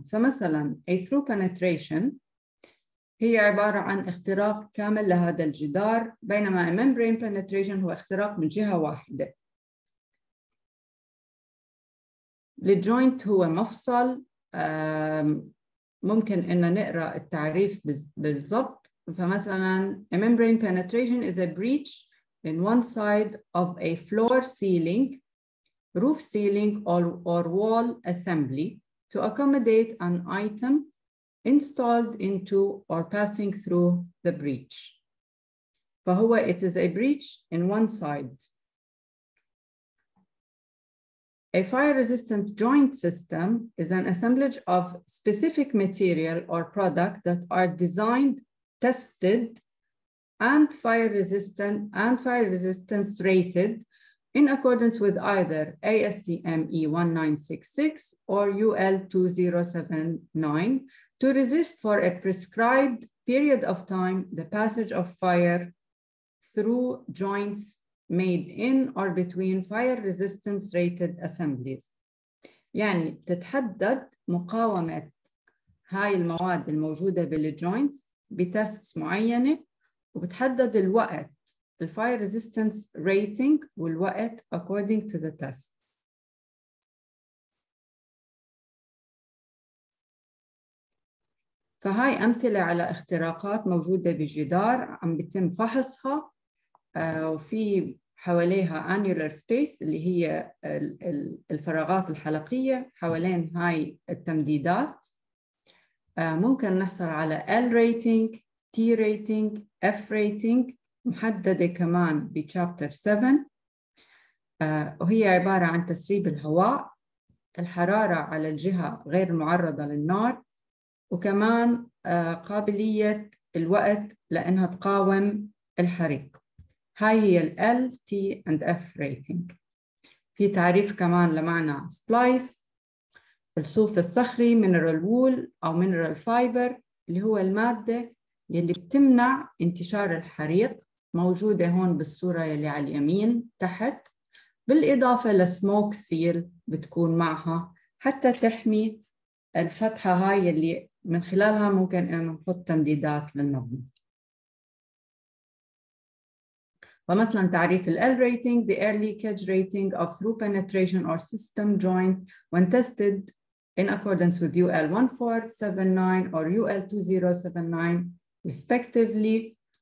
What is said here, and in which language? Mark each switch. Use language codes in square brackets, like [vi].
[ar] فمثلاً [en] a through penetration [ar] هي عبارة عن اختراق كامل لهذا الجدار، بينما [en] a membrane penetration [ar] هو اختراق من جهة واحدة. الجوينت هو مفصل، ممكن إن نقرأ التعريف بالضبط. فمثلاً [en] a membrane penetration is a breach in one side of a floor ceiling, roof ceiling or wall assembly to accommodate an item installed into or passing through the breach. [ar] فهو [en] it is a breach in one side. A fire resistant joint system is an assemblage of specific material or product that are designed, tested, and fire resistant and fire resistance rated in accordance with either ASTM E1966 or UL2079 to resist for a prescribed period of time the passage of fire through joints made in or between fire resistance rated assemblies. [ar] يعني تتحدد مقاومة هاي المواد الموجودة بالجوينتس بتستس معينة، وبتحدد الوقت الـ fire resistance rating والوقت [en] according to the test. [ar] فهاي أمثلة على اختراقات موجودة بجدار عم بيتم فحصها، وفي حواليها annular space اللي هي الفراغات الحلقية حوالين هاي التمديدات. ممكن نحصل على L rating، T rating، F rating، محددة كمان بشابتر 7، وهي عبارة عن تسريب الهواء، الحرارة على الجهة غير معرضة للنار، وكمان قابلية الوقت لأنها تقاوم الحريق. هاي هي ال [en] L, T and F rating. [ar] في تعريف كمان لمعنى splice، الصوف الصخري mineral wool أو mineral fiber اللي هو المادة يلي بتمنع انتشار الحريق موجودة هون بالصورة يلي على اليمين تحت، بالإضافة لسموك سيل بتكون معها حتى تحمي الفتحة هاي اللي من خلالها ممكن أن نحط تمديدات للمبنى. فمثلاً تعريف الـ [en] L rating, the air leakage rating of through penetration or system joint when tested in accordance with UL1479 or UL2079 respectively.